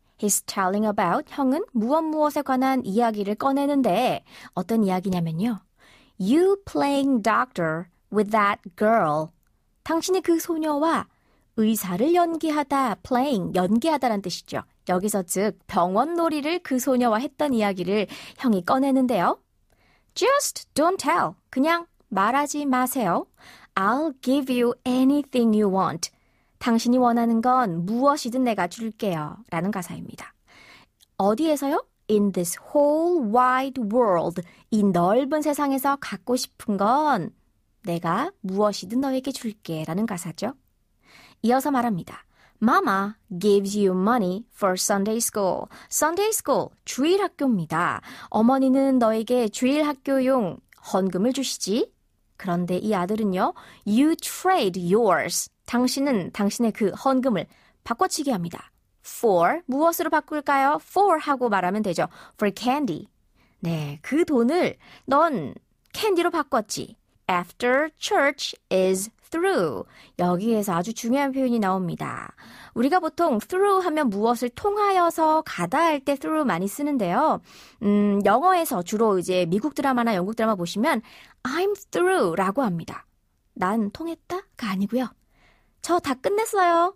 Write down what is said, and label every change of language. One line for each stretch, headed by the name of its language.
English: He's telling about,
Korean: 형은 무엇 무엇에 관한 이야기를 꺼내는데, 어떤 이야기냐면요.
English: You playing doctor with that girl.
Korean: 당신이 그 소녀와 의사를 연기하다, playing, 연기하다란 뜻이죠. 여기서 즉, 병원 놀이를 그 소녀와 했던 이야기를 형이 꺼내는데요.
English: Just don't tell.
Korean: 그냥 말하지 마세요.
English: I'll give you anything you want.
Korean: 당신이 원하는 건 무엇이든 내가 줄게요. 라는 가사입니다. 어디에서요?
English: In this whole wide world.
Korean: 이 넓은 세상에서 갖고 싶은 건 내가 무엇이든 너에게 줄게. 라는 가사죠. 이어서 말합니다.
English: Mama gives you money for Sunday school.
Korean: Sunday school, 주일 학교입니다. 어머니는 너에게 주일 학교용 헌금을 주시지. 그런데 이 아들은요,
English: you trade yours.
Korean: 당신은 당신의 그 헌금을 바꿔치기 합니다. For, 무엇으로 바꿀까요? For 하고 말하면 되죠.
English: For candy.
Korean: 네, 그 돈을 넌 캔디로 바꿨지.
English: After church is through.
Korean: 여기에서 아주 중요한 표현이 나옵니다. 우리가 보통 through 하면 무엇을 통하여서 가다 할때 through 많이 쓰는데요. 영어에서 주로 이제 미국 드라마나 영국 드라마 보시면
English: I'm through
Korean: 라고 합니다. 난 통했다가 아니고요. 저다 끝냈어요.